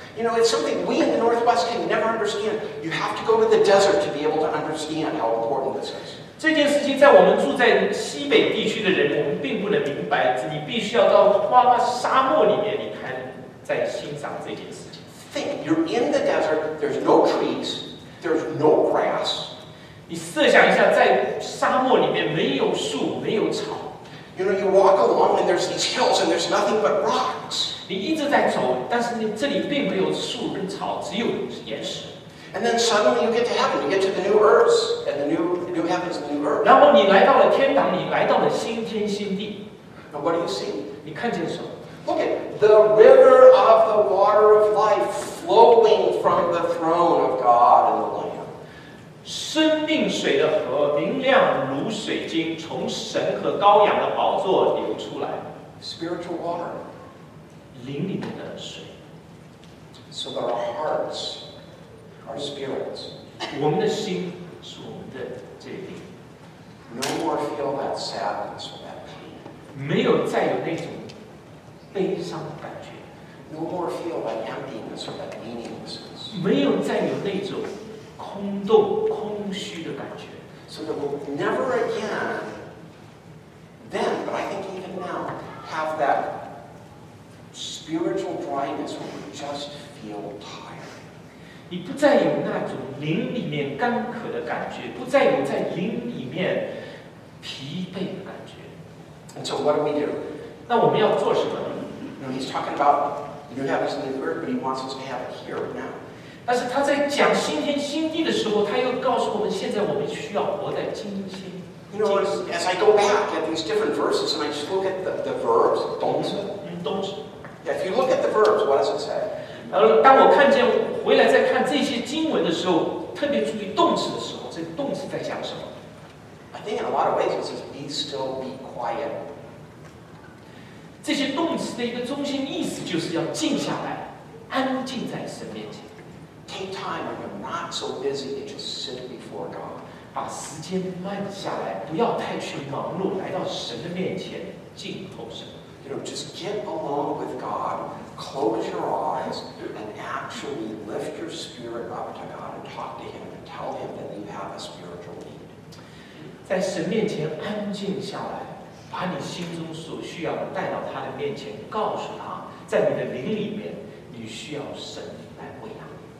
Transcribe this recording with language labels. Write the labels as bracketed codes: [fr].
[en] You know, it's something we in the Northwest can never understand. You have to go to the desert to be able to understand how important this is. [zh] 这件事情在我们住在西北地区的人，我们并不能明白。你必须要到沙漠里面，你才能在欣赏这件事情。 [en] Think you're in the desert. There's no trees. There's no grass. [zh] 你设想一下，在沙漠里面没有树，没有草。 [en] You know, you walk along, and there's these hills, and there's nothing but rocks. [zh] 你一直在走，但是你这里并没有树跟草，只有岩石。 [en] And then suddenly you get to heaven, you get to the new earth, and the new heavens, the new earth. [zh] 然后你来到了天堂，你来到了新天新地。 [en] Now what do you see? [zh] 你看见什么？ [en] Look at the river of the water of life flowing from the throne of God and the Lamb. [zh] 生命水的河，明亮如水晶，从神和羔羊的宝座流出来。 [en] Spiritual water. [zh] 灵里面的水。 [en] So that our hearts. Our spirits. [zh] 我们的心是我们的这一灵。 [en] No more feel that sadness or that pain. [zh] 没有再有那种悲伤的感觉。 [en] No more feel that emptiness or that meaninglessness. [zh] 没有再有那种空洞、空虚的感觉。 [en] So that we'll never again, then, but I think even now, have that spiritual dryness where we just feel tired. [zh] 你不再有那种灵里面干渴的感觉，不再有在灵里面疲惫的感觉。 [en] And so what do we do? [zh] 那我们要做什么呢？ [en] No, he's talking about new heavens and new earth, but he wants us to have it here now. [zh] 但是他在讲新天新地的时候，他又告诉我们，现在我们需要活在今天。 [en] You know, as I go back at these different verses, and I just look at the verbs, 动词。 [zh] 动词。 [en] Yeah, if you look at the verbs, what does it say? [zh] 当我看见回来再看这些经文的时候，特别注意动词的时候，这动词在讲什么 [en] ？I think in a lot of ways it says be still, be quiet. [zh] 这些动词的一个中心意思就是要静下来，安静在神面前。 [en] Take time when you're not so busy and just sit before God. [zh] 把时间慢下来，不要太去忙碌，来到神的面前静候神。 [en] You know, just get along with God. Close your eyes and actually lift your spirit up to God and talk to Him and tell Him that you have a spiritual need. [zh] 在神面前安静下来，把你心中所需要的带到他的面前，告诉他，在你的灵里面，你需要神来喂养。